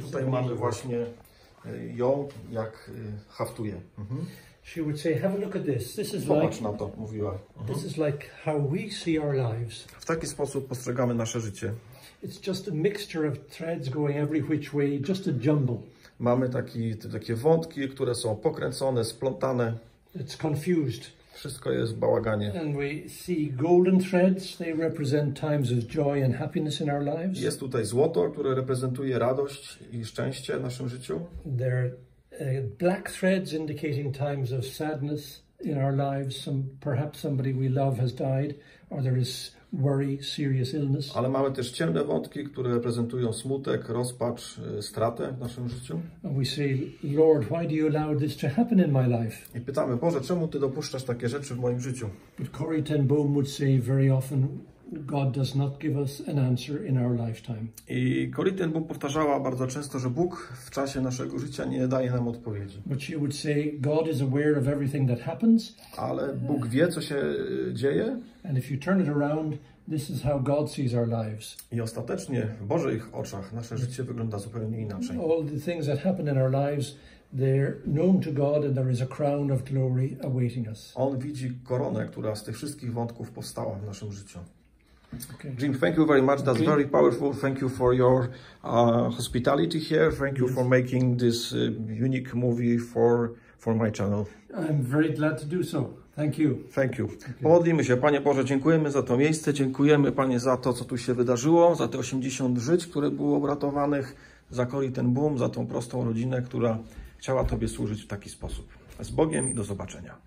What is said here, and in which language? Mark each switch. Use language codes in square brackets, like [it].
[pl] tutaj mamy właśnie ją, jak haftuje. [en] She would say, "Have a look at this. This is [pl] Zobacz [en] like [pl] na to, mówiła. [en] This is like how we see our lives." [pl] W taki sposób postrzegamy nasze życie. [en] It's just a mixture of threads going every which way, just a jumble. [pl] Mamy takie wątki, które są pokręcone, splątane. [en] It's confused. [pl] Wszystko jest w bałaganie. [en] And we see golden threads. They represent times of joy and happiness in our lives. [pl] Jest tutaj złoto, które reprezentuje radość i szczęście w naszym życiu. [en] There black threads indicating times of sadness in our lives. Perhaps somebody we love has died, or there is worry, serious illness. [pl] Ale mamy też ciemne wątki, które reprezentują smutek, rozpacz, stratę w naszym życiu. [en] And we say, Lord, why do you allow this to happen in my life? [pl] I pytamy, Boże, czemu Ty dopuszczasz takie rzeczy w moim życiu? [en] But Corrie ten Boom would say very often, God does not give us an answer in our lifetime. [pl] I Corrie ten Boom powtarzała bardzo często, że Bóg w czasie naszego życia nie daje nam odpowiedzi. [en] But she would say, God is aware of everything that happens. [pl] Ale Bóg wie, co się dzieje. [en] And if you turn it around, this is how God sees our lives. [pl] I ostatecznie w Bożych oczach nasze życie wygląda zupełnie inaczej. [en] All the things that happen in our lives, they're known to God, and there is a crown of glory awaiting us. [pl] On widzi koronę, która z tych wszystkich wątków powstała w naszym życiu. [en] Okay. Jim, thank you very much. That's okay. Very powerful. Thank you for your hospitality here. Thank you for making this unique movie for my channel. I'm very glad to do so. Thank you. Thank you. [pl] Pomodlimy się. Panie Boże, dziękujemy za to miejsce. Dziękujemy, Panie, za to, co tu się wydarzyło, za te 80 żyć, które było uratowanych, za Corrie ten Boom, za tą prostą rodzinę, która chciała Tobie służyć w taki sposób. Z Bogiem i do zobaczenia.